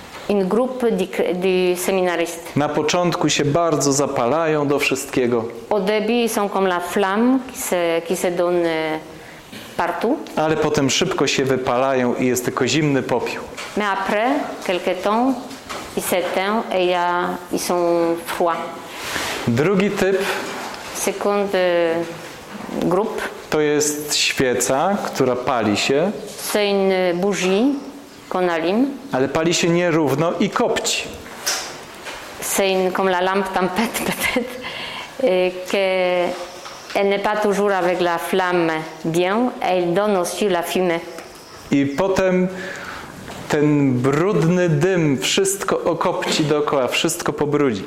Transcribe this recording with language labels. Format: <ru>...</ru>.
<fr>Une groupe du séminariste.</fr> <pl>Na początku się bardzo zapalają do wszystkiego.</pl> <fr>Au début, ils sont comme la flamme qui se donne partout.</fr> <pl>Ale potem szybko się wypalają i jest tylko zimny popiół.</pl> <fr>Mais après, quelques temps, ils s'éteignent et ils sont froids.</fr> <pl>Drugi typ</pl> <fr>Sekundy, grup.</fr> <pl>To jest świeca, która pali się.</pl> <fr>C'est une bougie qu'on allume.</fr> <pl>Ale pali się nierówno i kopci.</pl> <fr>C'est une comme la lampe tempête peut-être que elle n'est pas toujours avec la flamme bien, elle donne aussi la fumée.</fr> <pl>I potem ten brudny dym wszystko okopci dookoła, wszystko pobrudzi.</pl>